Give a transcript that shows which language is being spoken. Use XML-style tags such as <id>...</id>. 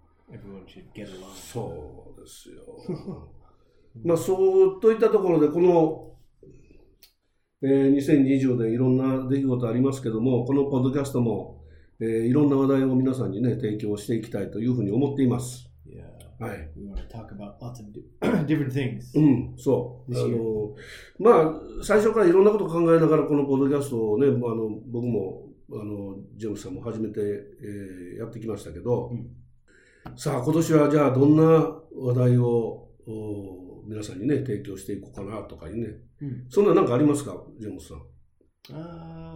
<en>Everyone should get along.</en> <ja>そうですよ。まあ、そうといったところで、この、2020年いろんな出来事ありますけども、このポッドキャストもいろんな話題を皆さんにね提供していきたいというふうに思っています。</ja> <en>Yeah.</en> <ja>はい。</ja> <en>We want to talk about lots of different things.</en> <ja>うん、そう。まあ最初からいろんなことを考えながらこのポッドキャストをね、あの僕もあのジェームスさんも初めて、やってきましたけど、さあ今年はじゃあどんな話題を皆さんにね提供していこうかなとかにね、そんな何かありますかジェームスさん？</ja>